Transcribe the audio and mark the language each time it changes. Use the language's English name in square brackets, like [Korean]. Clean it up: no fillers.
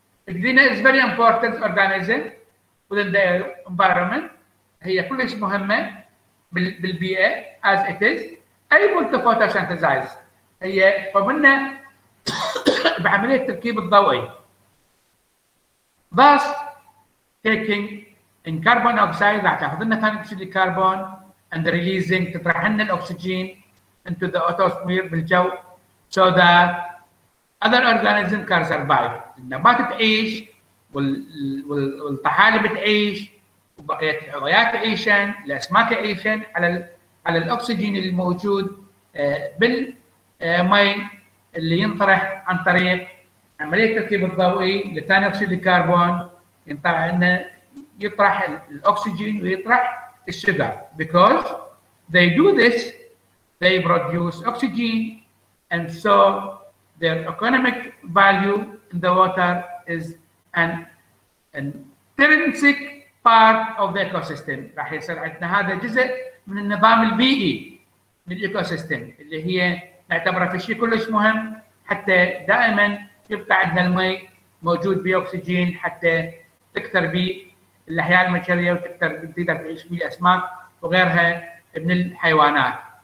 [English] euglena is very important organism within the environment, [Arabic] هي كلش مهمه بالبيئه [English] as it is, able to photosynthesize, [Arabic] هي قمنا بعملية التركيب الضوئي. [English] Thus taking in carbon oxide، [Arabic] راح تاخذ لنا ثاني اكسيد الكربون [English] and releasing، [Arabic] تطرح لنا الاكسجين [English] into the atmosphere بالجو so that other organisms can survive. [Arabic] النبات تعيش والطحالب تعيش وبقية الحيوانات تعيشن، الاسماك تعيشن على الاكسجين الموجود بال ماي اللي ينطرح عن طريق عمليه التركيب الضوئي لثاني اكسيد الكربون، ينطرح انه يطرح الاكسجين ويطرح الشذر. [English] Because they do this they produce oxygen and so their economic value in the water is an intrinsic part of the ecosystem. [Arabic] راح يصير عندنا هذا جزء من النظام البيئي من الايكو سيستم اللي هي نعتبره في شيء كلش مهم، حتى دائما يبقى عندنا المي موجود بأكسجين حتى تكثر به الاحياء المنشريه وتكثر تقدر تعيش به الاسماك وغيرها من الحيوانات.